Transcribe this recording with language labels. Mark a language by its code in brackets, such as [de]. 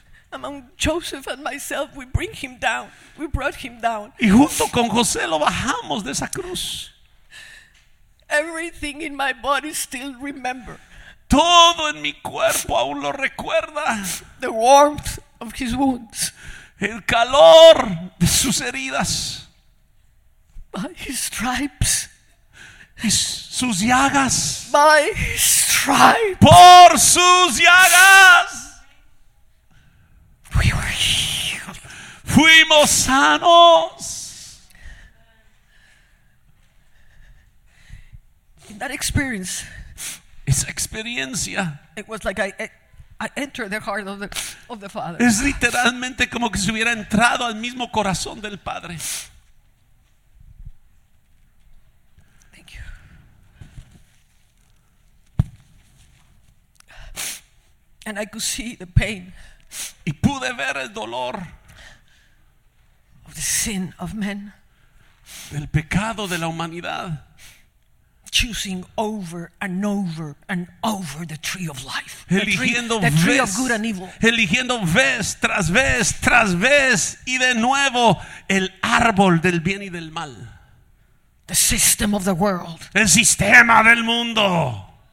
[en] Among Joseph and myself, we bring him down. We brought him down. [es] Y junto con José lo bajamos de esa cruz. [en] Everything in my body still remember. [es] Todo en mi cuerpo aún lo recuerda. [en] The warmth of his wounds. [es] El calor de sus heridas. [en] By his stripes. [es] Y sus llagas. [en] By his stripes. [es] Por sus llagas. [en] We were healed. [es] Fuimos sanos. [en] In that experience, [es] esa experiencia, [en] it was like I entered the heart of the Father. [es] Es literalmente como que se hubiera entrado al mismo corazón del Padre. [en] Thank you. And I could see the pain. [es] Y pude ver el dolor. [en] Of the sin of men. [es] Del pecado de la humanidad. [en] Choosing over and over and over the tree of life, [es] eligiendo [en] the tree of good and evil, [es] eligiendo vez tras vez tras vez y de nuevo el árbol del bien y del mal, [en] the system of the world, [es] el sistema del mundo.